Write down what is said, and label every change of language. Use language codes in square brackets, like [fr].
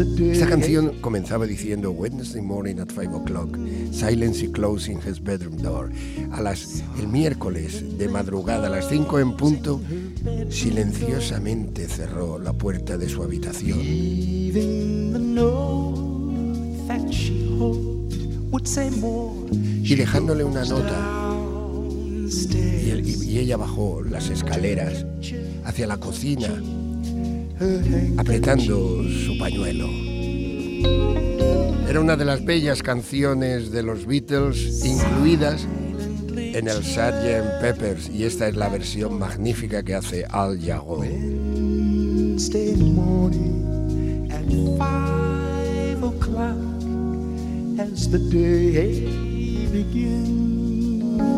[es] Esta canción comenzaba diciendo [en] Wednesday morning at 5 o'clock, silently closing his bedroom door. [es] El miércoles de madrugada a las 5 en punto, silenciosamente cerró la puerta de su habitación. Y dejándole una nota, y ella bajó las escaleras hacia la cocina apretando su pañuelo. Era una de las bellas canciones de los Beatles incluidas en el Sgt. Pepper's, y esta es la versión magnífica que hace Al Jarreau. [en] Wednesday morning at 5 o'clock, as the day begins.